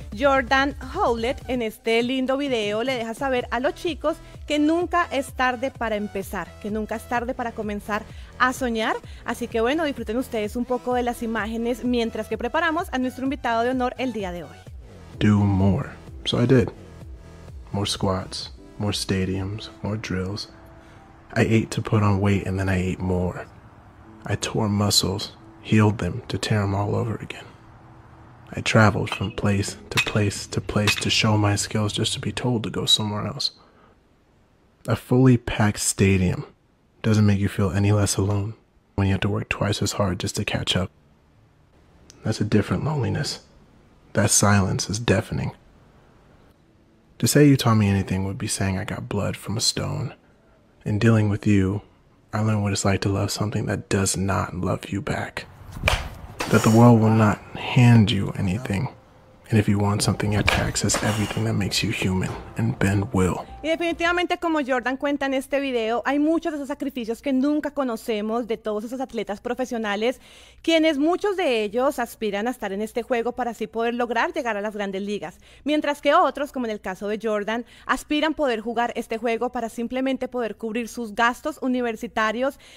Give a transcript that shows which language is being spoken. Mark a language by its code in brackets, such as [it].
[es] Jordan Howlett en este lindo video le deja saber a los chicos que nunca es tarde para empezar, que nunca es tarde para comenzar a soñar. Así que bueno, disfruten ustedes un poco de las imágenes mientras que preparamos a nuestro invitado de honor el día de hoy. [en] Do more. So I did. More squats, more stadiums, more drills. I ate to put on weight and then I ate more. I tore muscles, healed them to tear them all over again. I traveled from place to place to place to show my skills, just to be told to go somewhere else. A fully packed stadium doesn't make you feel any less alone when you have to work twice as hard just to catch up. That's a different loneliness. That silence is deafening. To say you taught me anything would be saying I got blood from a stone. In dealing with you, I learned what it's like to love something that does not love you back. That the world will not hand you anything. And if you want something, you have to access everything that makes you human. And Ben will. [es] Y definitivamente, como Jordan cuenta en este video, hay muchos de esos sacrificios que nunca conocemos de todos esos atletas profesionales, quienes muchos de ellos aspiran a estar en este juego para así poder lograr llegar a las grandes ligas. Mientras que otros, como en el caso de Jordan, aspiran poder jugar este juego para simplemente poder cubrir sus gastos universitarios.